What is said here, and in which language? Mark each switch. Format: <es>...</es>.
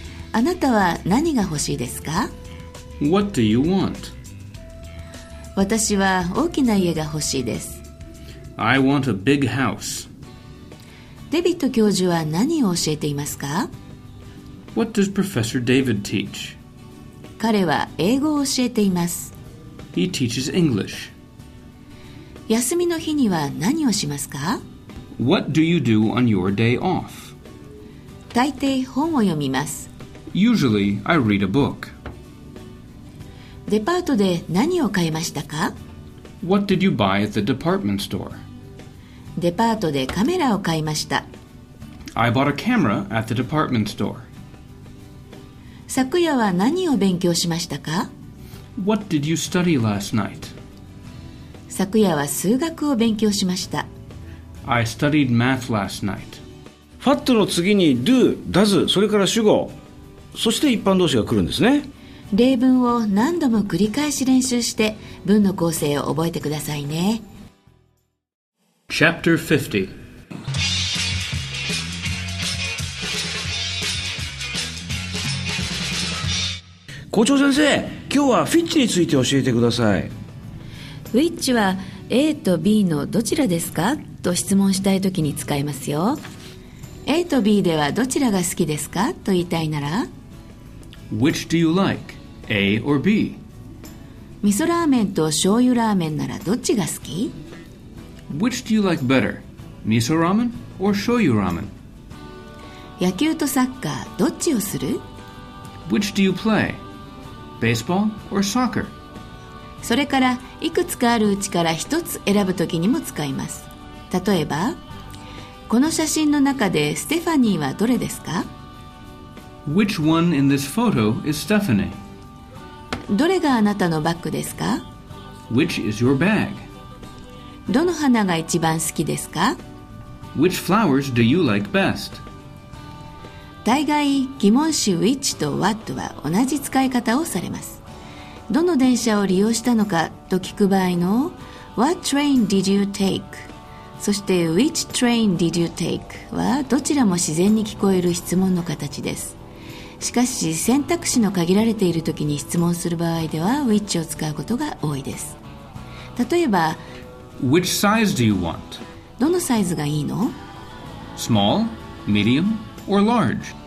<ja>あなたは何が欲しいですか?</ja> <en>What do you want?</en> <ja>私は大きな家が欲しいです。</ja> <en>I want a big house.</en> <ja>デビット教授は何を教えていますか?</ja> <en>What does Professor David teach?</en> <ja>彼は英語を教えています。</ja> <en>He teaches English.</en> <ja>休みの日には何をしますか?</ja> <en>What do you do on your day off?</en> <ja>大抵本を読みます。</ja> <en>Usually, I read a book.</en> <ja>デパートで何を買いましたか?</ja> <en>What did you buy at the department store?</en> <ja>デパートでカメラを買いました。</ja> <en>I bought a camera at the department store.</en> <ja>昨夜は何を勉強しましたか？</ja> <en>What did you study last night?</en> <ja>昨夜は数学を勉強しました。</ja> <en>I studied math last night.</en> <ja>Fat の次に do、does、それから主語、そして一般動詞が来るんですね。例文を何度も繰り返し練習して文の構成を覚えてくださいね。</ja> <en>Chapter 50。</en> <ja>校長先生、今日はフィッチについて教えてください。フィッチは A と B のどちらですかと質問したいときに使いますよ。 A と B ではどちらが好きですかと言いたいなら</ja> <en>Which do you like? A or B?</en> <ja>味噌ラーメンと醤油ラーメンならどっちが好き？</ja> <en>Which do you like better?</en> <ja>味噌ラーメン or 醤油ラーメン？野球とサッカーどっちをする？</ja> <en>Which do you playBaseball or soccer?</en> <ja>それからいくつかあるうちから一つ選ぶときにも使います。例えばこの写真の中でステファニーはどれですか？</ja> <en>Which one in this photo is Stephanie?</en> <ja>どれがあなたのバッグですか？</ja> <en>Which is your bag?</en> <ja>どの花が一番好きですか？</ja> <en>Which flowers do you like best?</en> <ja>大概疑問詞 which と what は同じ使い方をされます。どの電車を利用したのかと聞く場合の</ja> <en>what train did you take? そして which train did you take?</en> <ja>はどちらも自然に聞こえる質問の形です。しかし選択肢の限られているときに質問する場合では which を使うことが多いです。例えば</ja> <en>which size do you want?</en> <ja>どのサイズがいいの？</ja> <en>small, mediumOr large.</en>